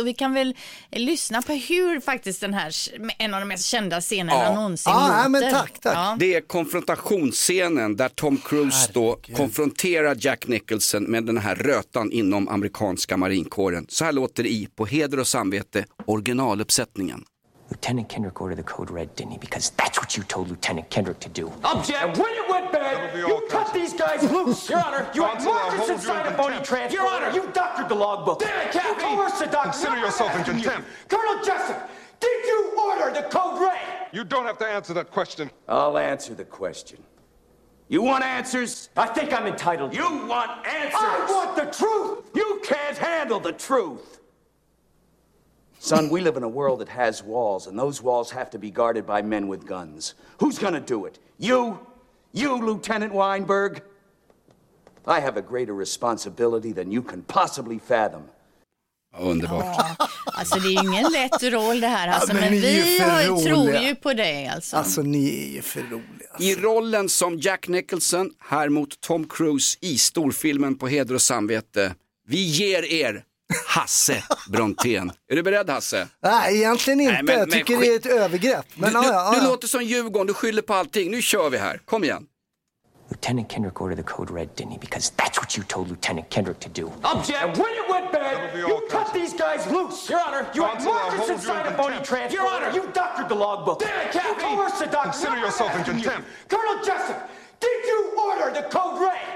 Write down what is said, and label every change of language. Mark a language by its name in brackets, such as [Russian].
[Swedish] Och vi kan väl lyssna på hur faktiskt den här, en av de mest kända scenerna någonsin låter. Ja, men tack. Ja. Det är konfrontationsscenen där Tom Cruise då konfronterar Jack Nicholson med den här rötan inom amerikanska marinkåren. Så här låter det i På heder och samvete originaluppsättningen. [English] Lieutenant Kendrick ordered the code red, didn't he? Because that's what you told Lieutenant Kendrick to do. Object! And when it went bad, you cut these guys loose. Your Honor, you have marches inside a bony transporter. Your Honor, you doctored the logbook. Damn it, Captain! You coerced the doctor. Consider yourself in contempt. Colonel Jessup, did you order the code red? You don't have to answer that question. I'll answer the question. You want answers? I think I'm entitled. You want answers? I want the truth! You can't handle the truth! Son, we live in a world that has walls, and those walls have to be guarded by men with guns. Who's gonna do it? You? You, Lieutenant Weinberg? I have a greater responsibility than you can possibly fathom. [Swedish] Underbart. Ja, alltså det är ju ingen lätt roll det här. Alltså, ja, men vi har, tror ju på dig. Alltså. Alltså ni är ju för roliga. Alltså. I rollen som Jack Nicholson här mot Tom Cruise i storfilmen På heder och samvete. Vi ger er Hasse Brontén. Är du beredd, Hasse? Nej, egentligen inte. Nej, men, jag tycker det är ett övergrepp. Men, du låter som Djurgården, du skyller på allting. Nu kör vi här. Kom igen. [English] Lieutenant Kendrick ordered the code red, didn't he? Because that's what you told Lieutenant Kendrick to do. Object! And when it went bad, you cut these guys loose! Your Honor, you have marches inside a bony transport! Your Honor, you doctored the logbook! Damn it, Captain! You coerced the doctor! Consider yourself in contempt! Colonel Jessup, did you order the code red?